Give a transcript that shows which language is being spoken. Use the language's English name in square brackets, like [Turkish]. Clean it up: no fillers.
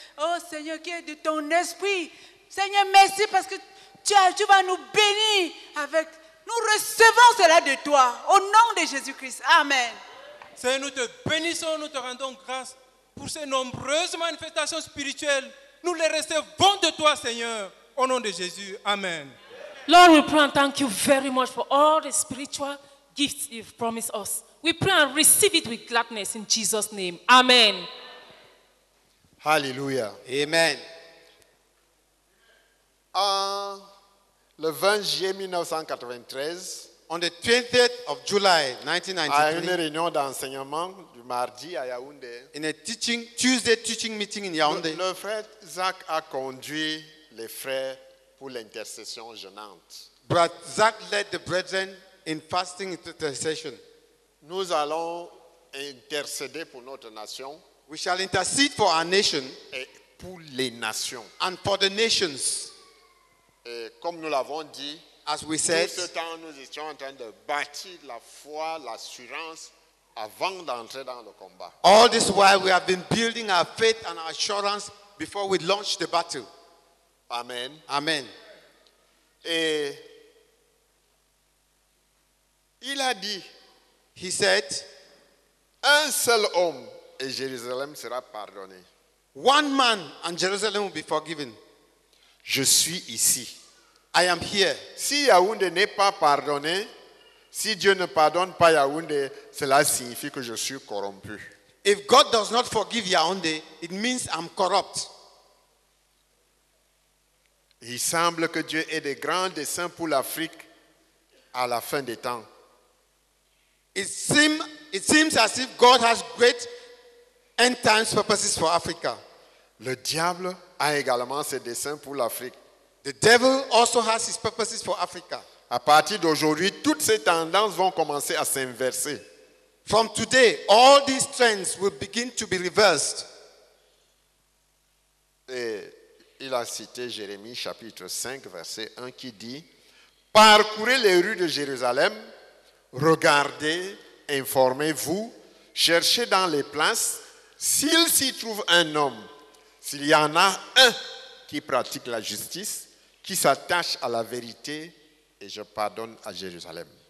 [French] Oh Seigneur, qui est de ton esprit. Seigneur, merci parce que tu vas nous bénir avec. Nous recevons cela de toi. Au nom de Jésus-Christ. Amen. Seigneur, nous te bénissons, nous te rendons grâce pour ces nombreuses manifestations spirituelles. Nous les recevons de toi, Seigneur, au nom de Jésus. Amen. [English] Lord, we pray and thank you very much for all the spiritual gifts you've promised us. We pray and receive it with gladness in Jesus' name. Amen. Hallelujah. Amen. [French] Le 20 juillet 1993, [English] on the 20th of July, 1993, [French] à une réunion d'enseignement du mardi à Yaoundé, [English] in a teaching Tuesday teaching meeting in Yaoundé, [French] le frère Zach a conduit les frères pour l'intercession jeûnante. [English] But Zach led the brethren in fasting intercession. [French] Nous allons intercéder pour notre nation. [English] We shall intercede for our nation. [French] Et pour les nations. [English] And for the nations. [French] Et comme nous l'avons dit, [English] as we said, [French] tout ce temps, nous étions en train de bâtir la foi, l'assurance avant d'entrer dans le combat. [English] All this while, we have been building our faith and assurance before we launch the battle. Amen. Amen. [French] Et il a dit, [English] he said, [French] un seul homme et Jérusalem sera pardonné. [English] One man and Jerusalem will be forgiven. [French] Je suis ici. [English] I am here. [French] Si Yaoundé n'est pas pardonné, si Dieu ne pardonne pas Yaoundé, cela signifie que je suis corrompu. [English] If God does not forgive Yaoundé, it means I'm corrupt. [French] Il semble que Dieu ait des grands desseins pour l'Afrique à la fin des temps. [English] It seems as if God has great end times purposes for Africa. [French] Le diable a également ses desseins pour l'Afrique. [English] The devil also has his purposes for Africa. [French] À partir d'aujourd'hui, toutes ces tendances vont commencer à s'inverser. [English] From today, all these trends will begin to be reversed. [French] Et il a cité Jérémie chapitre 5 verset 1 qui dit: parcourez les rues de Jérusalem, regardez, informez-vous, cherchez dans les places. S'il s'y trouve un homme, s'il y en a un qui pratique la justice, qui s'attache à la vérité, et je pardonne à Jérusalem.